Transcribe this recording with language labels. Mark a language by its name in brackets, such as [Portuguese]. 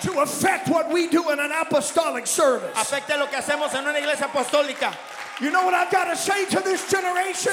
[English] To affect what we do in an apostolic service. [Spanish] Afecte lo que hacemos en una iglesia apostólica. [English] You know what I've got to say to this generation?